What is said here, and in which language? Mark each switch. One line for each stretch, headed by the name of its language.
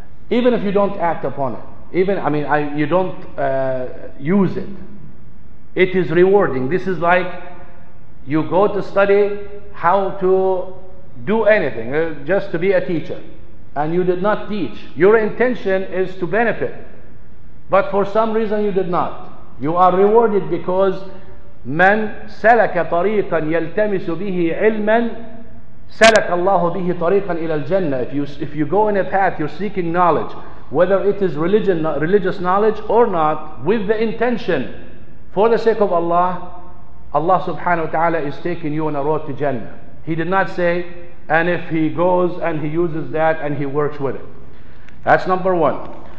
English: Even if you don't act upon it, you don't use it. It is rewarding. This is like you go to study how to do anything, just to be a teacher, and you did not teach. Your intention is to benefit, but for some reason you did not. You are rewarded because
Arabic: من سلك طريقا يلتمس به علما سلك الله به طريقا إلى الجنة.
English: If you go in a path, you're seeking knowledge, whether it is religious knowledge or not, with the intention for the sake of Allah, Allah subhanahu wa ta'ala is taking you on a road to Jannah. He did not say, and if he goes and he uses that and he works with it. That's number one.